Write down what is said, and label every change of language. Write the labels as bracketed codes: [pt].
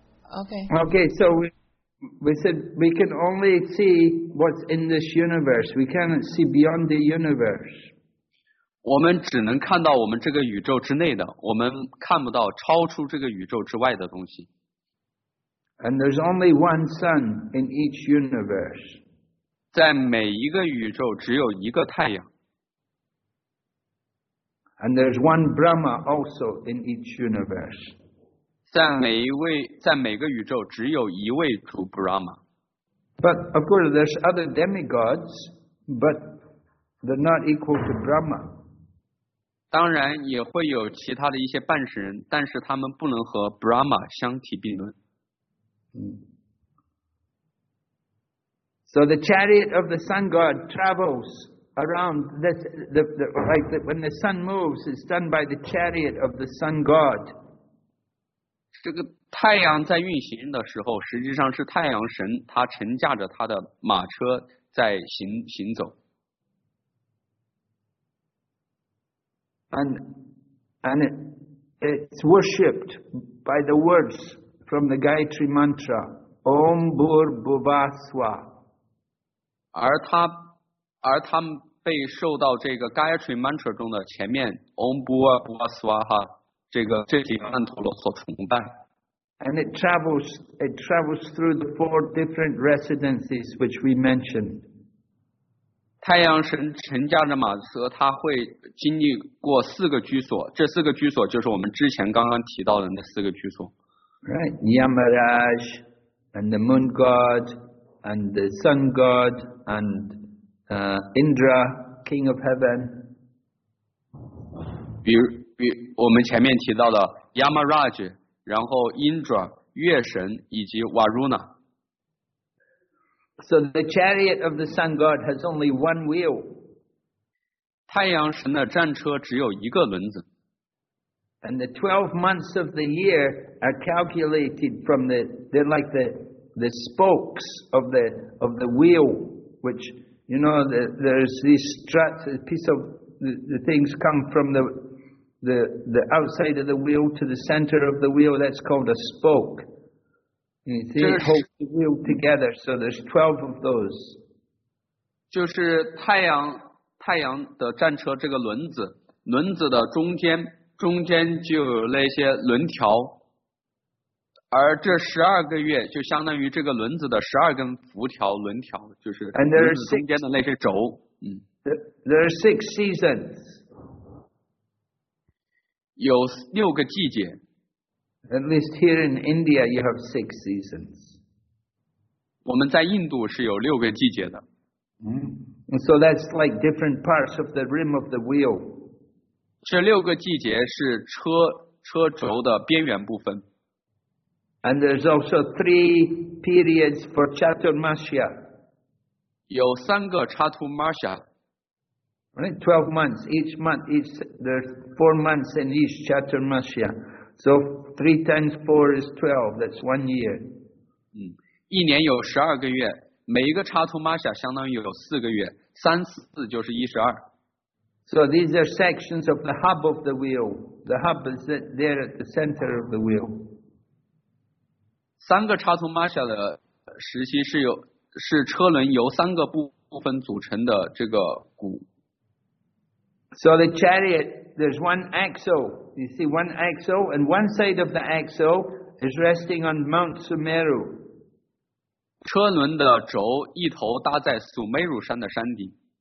[en] Okay, so we said we can only see what's in this universe. We cannot see beyond the universe. [zh] 我们只能看到我们这个宇宙之内的，我们看不到超出这个宇宙之外的东西。 [en] And there's only one sun in each universe. [zh] 在每一个宇宙只有一个太阳。 [en] And there's one Brahma also in each universe. [zh] 在每个宇宙只有一位主 Brahma。 [en] But of course there's other demigods, but they're not equal to Brahma. [zh] 当然也会有其他的一些半神，但是他们不能和 Brahma 相提并论。 [en] So the chariot of the sun god travels around this, like when the sun moves, it's done by the chariot of the sun god. [zh] 这个太阳在运行的时候，实际上是太阳神他乘驾着他的马车在行走。 [en] And it's worshipped by the words from the Gayatri Mantra, [sa] Om Bhur Bhuvah Swah. [zh] 而他被受到这个 Gayatri Mantra 中的前面 [sa] Om Bhur Bhuvah Swah [zh] 哈。这几个曼陀罗所崇拜。 [en] And it travels through the four different residences which we mentioned. [zh] 太阳神乘驾着马车，他会经历过四个居所，这四个居所就是我们之前刚刚提到的那四个居所。 [en] Right, Yamaraj, and the moon god, and the sun god, and Indra, king of heaven. [zh] 比我们前面提到的 Yamaraj， 然后 Indra 月神以及 Varuna。 [en] So the chariot of the sun god has only one wheel. [zh] 太阳神的战车只有一个轮子。 [en] And the 12 months of the year are calculated from the spokes of the wheel, which you know there's these struts, a piece of the things come from the outside of the wheel to the center of the wheel, that's called a spoke. You see, it holds the wheel together, so there's 12 of those. [zh] 就是太阳的战车这个轮子的中间就有那些轮条，而这12个月就相当于这个轮子的12根辐条轮条，就是轮子中间的那些轴。 [en] There are six seasons. [zh] 有六个季节。 [en] At least here in India, you have six seasons. [zh] 我们在印度是有六个季节的。 [en] So that's like different parts of the rim of the wheel. [zh] 这六个季节是车轴的边缘部分。 [en] And there's also three periods for Chaturmasya. [zh] 有三个 Chaturmasya. [en] Right, 12 months, each month, there's 4 months in each Chaturmasya. So 3 times 4 is 12, that's 1 year. [zh] 一年有12个月，每一个 Chaturmasya 相当于有4个月，3、4就是12。 [en] So these are sections of the hub of the wheel. The hub is there at the center of the wheel. [zh] 三个 Chaturmasya 的时期是车轮由三个部分组成的这个鼓。 [en] So the chariot, there's one axle. You see one axle, and one side of the axle is resting on Mount Sumeru. [zh] 车轮的轴一头搭在苏梅鲁山的山顶。